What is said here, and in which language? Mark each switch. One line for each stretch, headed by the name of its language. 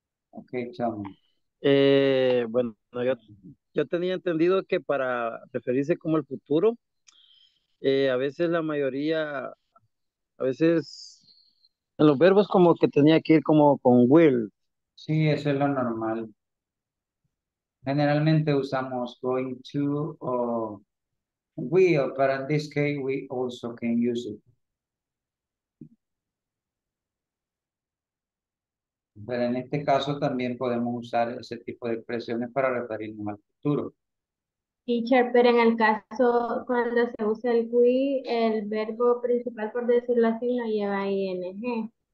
Spanish: Ok, chamo. Bueno, yo tenía entendido que para referirse como el futuro, a veces la mayoría, a veces en los verbos como que tenía que ir como con will. Sí, eso es lo normal. Generalmente usamos going to o will,
English: but in this case we also can use it.
Spanish: Pero en este caso también podemos usar ese tipo de expresiones para referirnos al futuro. Teacher, pero en el caso cuando se usa el we, el verbo principal, por decirlo así, no lleva ing.